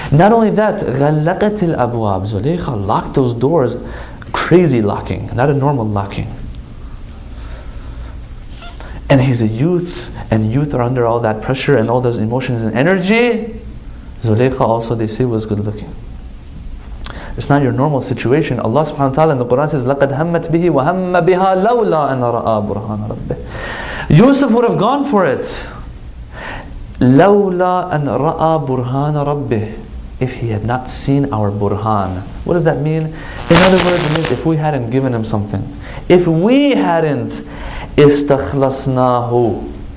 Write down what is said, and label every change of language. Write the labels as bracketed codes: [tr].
[en] Not only that, [ar] غَلَّقَتِ الْأَبْوَابِ. [en] Zulaykha locked those doors. Crazy locking, not a normal locking. And he's a youth, and youth are under all that pressure and all those emotions and energy. Zulaykha also, they say, was good looking. It's not your normal situation. Allah subhanahu wa ta'ala in the Quran says, [ar] لَقَدْ هَمَّتْ بِهِ وَهَمَّ بِهَا لَوْلَا أَنْ رَأَى بُرْهَانَ رَبِّهِ. [en] Yusuf would have gone for it. [ar] لَوْلَا أَنْ رَأَى بُرْهَانَ رَبِّهِ. [en] If he had not seen our burhan. What does that mean? In other words, it means if we hadn't given him something. If we hadn't استخلصناه.